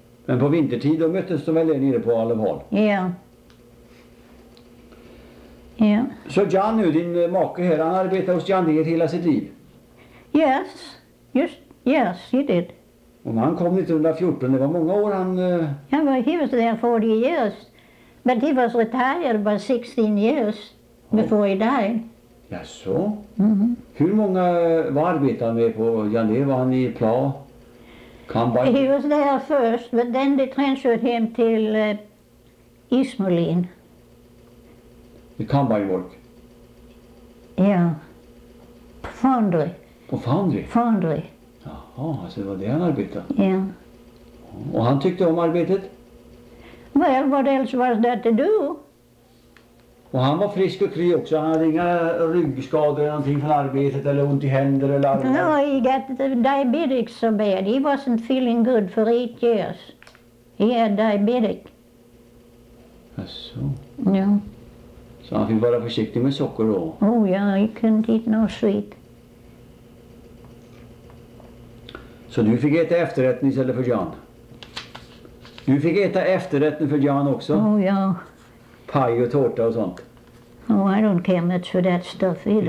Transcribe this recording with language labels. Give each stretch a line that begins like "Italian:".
Swedish: Men på vintertid då möttes de väl nere på Olive Hall? Ja. Yeah. Yeah. Så Jan nu, din make här, han arbetar hos Janier hela sitt liv?
English: Yes, just, yes, he did.
Swedish: Och när han kom 1914, det var många år han...
English: Yeah, well, he was there 40 years, but he was retired by 16 years before he died.
Swedish: Jaså? Mm-hmm. Hur många var arbetade med på Janier? Var han i Pla? Kambang?
English: He was there first, but then they transferred him till East Molin. The combine work. Yeah. Foundry.
Swedish: På Foundry?
English: Foundry.
Swedish: Jaha, alltså det var det han arbetade? Ja. Yeah. Och han tyckte om arbetet?
English: Well, what else was there to do?
Swedish: Och han var frisk och kry också. Han hade inga ryggskador eller någonting från arbetet eller ont i händer eller armar.
English: No, he got diabetic so bad. He wasn't feeling good for 8 years. He had diabetic.
Swedish: Asså? Ja. Så han fick vara försiktig med socker då?
English: Oh ja, yeah, he couldn't eat no sweet.
Swedish: Så du fick äta efterrätten istället för Jan? Du fick äta efterrätten för Jan också? Oh ja. Yeah. Paj och tårta och sånt.
English: Oh, I don't care much for that stuff either.